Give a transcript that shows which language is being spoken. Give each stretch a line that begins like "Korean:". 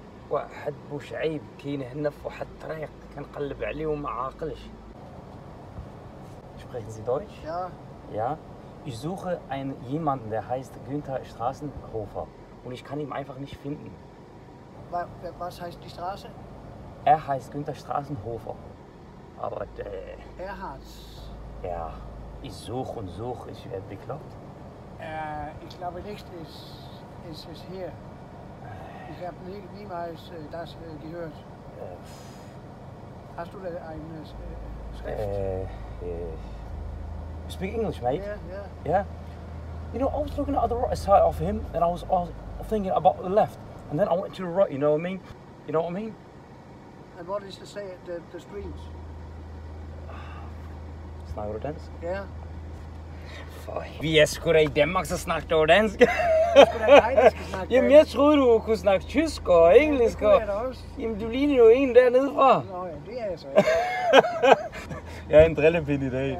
Arabic: واحد بوشعيب كاين هنا في واحد الطريق كنقلب عليه وما عاقلش
German: ich spreche sie deutsch ja ja ich suche einen jemanden der heißt Günther Straßenhofer und ich kann ihn einfach nicht finden was heißt die straße er heißt Günther Straßenhofer aber der er hat's ja ich suche und suche ist er bekloppt ich glaube nicht ist hier Ich habe niemals das gehört. Hast du da eine Schrift?
English: You speak English, mate? Yeah, yeah. Yeah? You know, I was looking at the right side of him, and I was thinking about the left. And then I went to the right, you know what I mean? You know what I mean? And what is to say at the streets?
Danish: Snakker du dansk?
English: Yeah.
Danish: For vi sgu da i Danmark, så snakker du dansk. Det skulle være dig, der skal snakke. Jamen, jeg troede, du kunne snakke tysk og engelsk. Ja, det kunne jeg da også. Jamen, du ligner jo en dernede fra. Nå ja, det er jeg så. Jeg er en drillepind i dag.